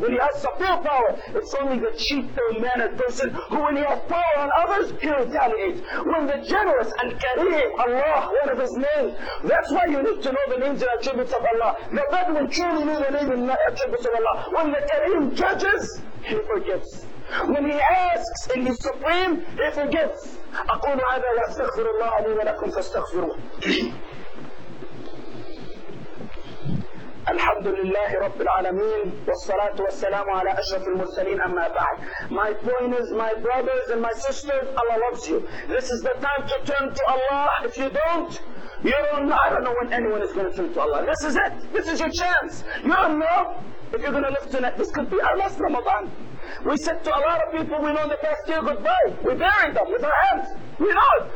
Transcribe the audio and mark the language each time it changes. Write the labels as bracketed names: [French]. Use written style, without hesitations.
[English] When he has the full power, it's only the cheap, ill-mannered person who, when he has power on others, he retaliates. When the generous and Kareem, Allah, one of his names, that's why you need to know the names and attributes of Allah. The Bedouin truly knew the name and attributes of Allah. When the Kareem judges, he forgives. When he asks and he's supreme, he forgets. [Arabic] أقول هذا واستغفر الله لي ولكم فاستغفروه. الحمد لله رب العالمين والصلاة والسلام على أشرف المرسلين أما بعد. [English] My point is, my brothers and my sisters, Allah loves you. This is the time to turn to Allah. If you don't, you don't know. I don't know when anyone is going to turn to Allah. This is it. This is your chance. You don't know if you're going to live tonight. This could be our last Ramadan. We said to a lot of people we know in the past year goodbye. We buried them with our hands. We know.